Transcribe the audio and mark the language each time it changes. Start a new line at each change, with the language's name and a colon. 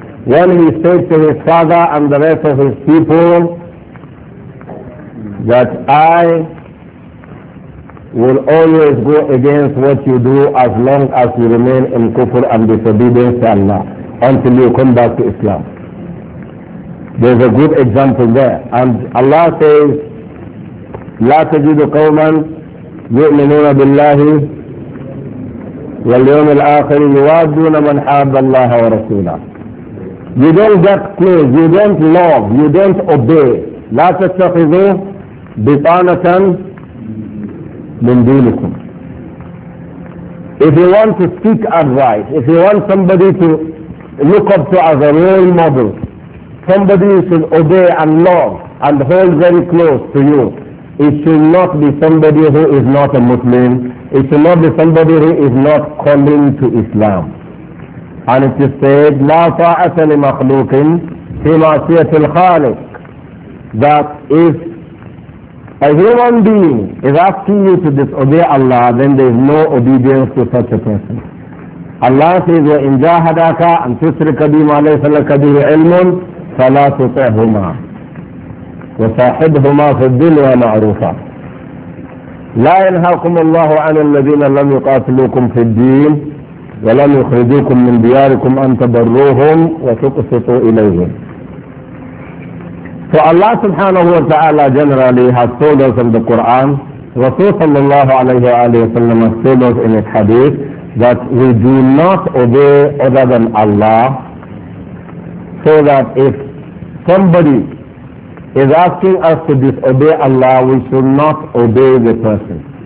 English: When he said to his father and the rest of his people that I will always go against what you do as long as you remain in kufr and disobedience to Allah until you come back to Islam. There's a good example there. And Allah says,
Arabic: لا تجد قوما يؤمنون بالله واليوم الآخر يوادون من حاب الله ورسوله.
English: You don't get close, you don't love, you don't obey.
Arabic: لا تتخذوا بطانة من دونكم.
English: If you want to speak advice, if you want somebody to look up to as a role model, somebody you should obey and love and hold very close to you, it should not be somebody who is not a Muslim. It should not be somebody who is not coming to Islam. And it is said,
Arabic: لا طاعة لمخلوق في معصية الخالق.
English: That if a human being is asking you to disobey Allah, then there is no obedience to such a person. Allah says,
Arabic: وَإِنْ جَاهَدَكَ أَنْ تُشْرِكَ بِمَا لَيْسَ لَكَ بِهِ عِلْمٌ فَلَا تُطِعْهُمَا وصاحبهما في الدنيا معروفا لا ينهاكم الله عن الذين لم يقاتلوكم في الدين ولم يخرجوكم من دياركم ان تبروهم وتقسطوا اليهم.
English: So Allah subhanahu wa ta'ala generally has told us in the Quran, Rasul sallallahu alayhi wa sallam has told us in his hadith that we do not obey other than Allah, so that if somebody is asking us to disobey Allah, we should not obey the person.